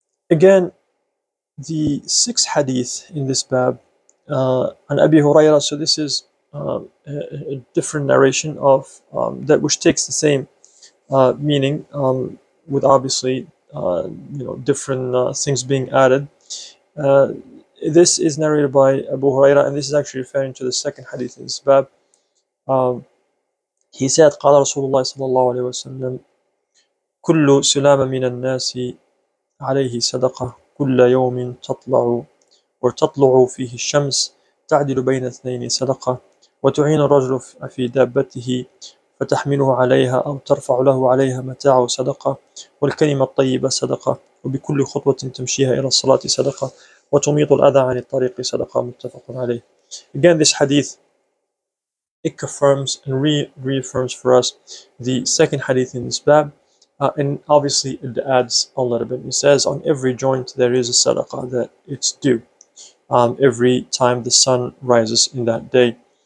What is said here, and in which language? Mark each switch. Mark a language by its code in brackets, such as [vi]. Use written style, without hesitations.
[en] Again, the sixth hadith in this bab, an Abi Huraira, so this is a different narration of that, which takes the same meaning, with obviously different things being added. This is narrated by Abu Huraira, and this is actually referring to the second hadith in this bab. He said, [ar] قال رسول الله صلى الله عليه وسلم كل سلام من الناس عليه صدقة كل يوم تطلع وتطلع فيه الشمس تعدل بين اثنين صدقة وتعين الرجل في دابته فتحمله عليها أو ترفع له عليها متاعه صدقة والكلمة الطيبة صدقة وبكل خطوة تمشيها إلى الصلاة صدقة وتميط الأذى عن الطريق صدقة متفق عليه. [en] Again, this hadith, it confirms and reaffirms for us the second hadith in this bab. And obviously it adds a little bit. It says on every joint there is a sadaqah that it's due every time the sun rises in that day.